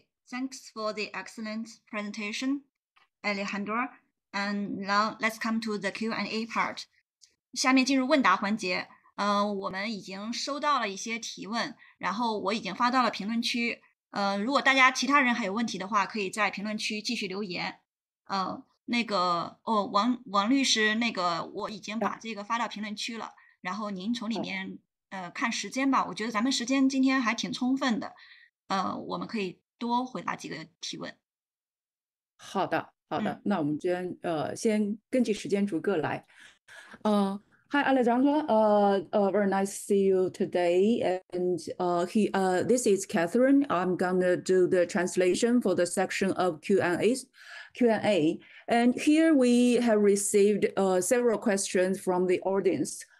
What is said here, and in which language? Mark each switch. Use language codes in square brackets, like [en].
[en] thanks for the excellent presentation, Alejandro, and now let's come to the Q&A part. [zh] 下面进入问答环节。我们已经收到了一些提问，然后我已经发到了评论区。如果大家其他人还有问题的话，可以在评论区继续留言。王律师，那个我已经把这个发到评论区了，然后您从里面看时间吧。我觉得咱们时间今天还挺充分的，我们可以多回答几个提问。好的，好的，那我们先根据时间逐个来。 [en] Hi Alejandra, very nice to see you today. And this is Catherine. I'm gonna do the translation for the section of Q&A. And here we have received several questions from the audience.